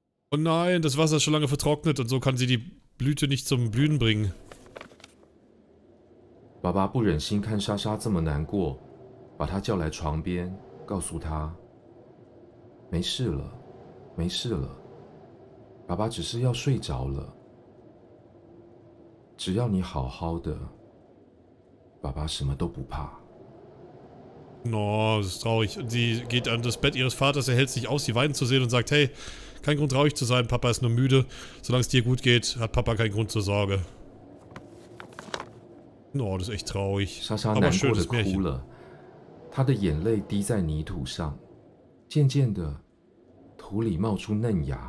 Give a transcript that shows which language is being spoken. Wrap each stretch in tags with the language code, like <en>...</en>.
<de>Oh nein, das Wasser ist schon lange vertrocknet und so kann sie die Blüte nicht zum Blühen bringen.</de> <zh>Baba 不忍心看莎莎这么难过，把她叫来床边，告诉她：“没事了，没事了，爸爸只是要睡着了。只要你好好的，爸爸什么都不怕。”</zh> <de>No, das ist traurig. Sie geht an das Bett ihres Vaters, er hält sich aus, sie weinen zu sehen und sagt: Hey, kein Grund traurig zu sein, Papa ist nur müde. Solange es dir gut geht, hat Papa keinen Grund zur Sorge. No, das ist echt traurig. Sasha aber ein schönes Märchen. Sie hat die Tränen in den Sand gelassen. Langsam kam die Tränen aus dem Sand.</de>